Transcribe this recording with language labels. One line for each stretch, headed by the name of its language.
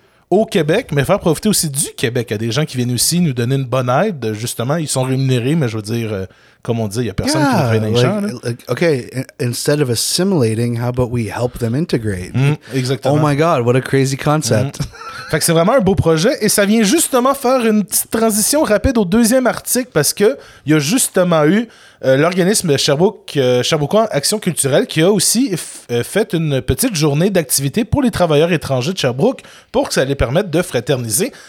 French: au Québec, mais faire profiter aussi du Québec à des gens qui viennent aussi nous donner une bonne aide. Justement, ils sont rémunérés, mais je veux dire, comme on dit, il n'y a personne qui nous fait d'argent.
English: OK, instead of assimilating, how about we help them integrate?
French: Mm, exactement.
English: Oh my God, what a crazy concept. Mm.
French: Fait que c'est vraiment un beau projet et ça vient justement faire une petite transition rapide au deuxième article parce qu'il y a justement eu l'organisme Sherbrooke Action Culturelle qui a aussi fait une petite journée d'activité pour les travailleurs étrangers de Sherbrooke pour que ça les permette de fraterniser.